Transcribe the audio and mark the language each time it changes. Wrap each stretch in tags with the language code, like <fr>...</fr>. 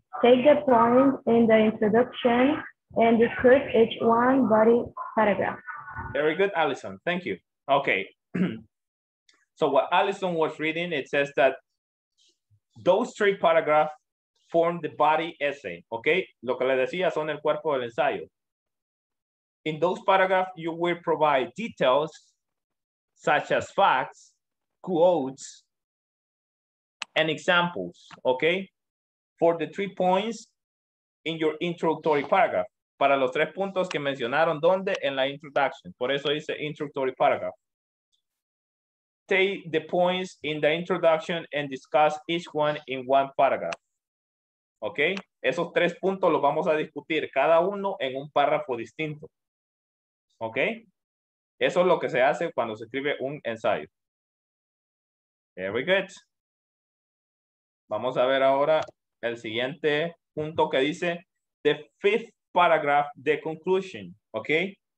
<en>Take the point in the introduction and discuss each one body paragraph. Very good, Allison. Thank you. Okay. So what Allison was reading, it says that those three paragraphs form the body essay, okay?</en> <es>Lo que le decía son el cuerpo del ensayo.</es> <en>In those paragraphs, you will provide details such as facts, quotes, and examples, okay? For the 3 points in your introductory paragraph.</en> <es>Para los 3 puntos que mencionaron, ¿dónde? En la introduction. Por eso dice</es> <en>introductory paragraph. Take the points in the introduction and discuss each one in one paragraph.</en> <es>¿Ok? Esos 3 puntos los vamos a discutir cada uno en un párrafo distinto. ¿Ok? Eso es lo que se hace cuando se escribe un ensayo.</es> <en>Very good.</en> <es>Vamos a ver ahora el siguiente punto que dice</es> <en>the 5th paragraph, the conclusion.</en> <es>¿Ok?</es>